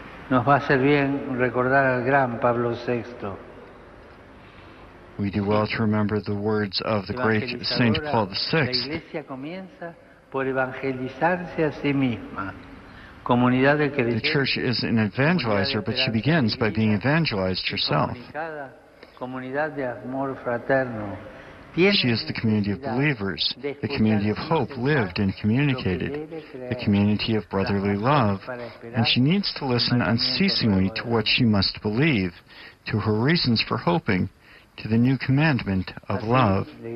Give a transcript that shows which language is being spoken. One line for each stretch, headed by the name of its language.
Spanish: Nos va a hacer bien recordar al gran Pablo VI.
English: We do well to remember the words of the great Saint Paul VI.
Spanish: La Iglesia comienza por evangelizarse a sí misma. Comunidad de creyentes.
English: The Church is an evangelizer, but she begins by being evangelized herself.
Spanish: Comunidad de amor fraterno.
English: She is the community of believers, the community of hope lived and communicated, the community of brotherly love, and she needs to listen unceasingly to what she must believe, to her reasons for hoping, to the new commandment of love.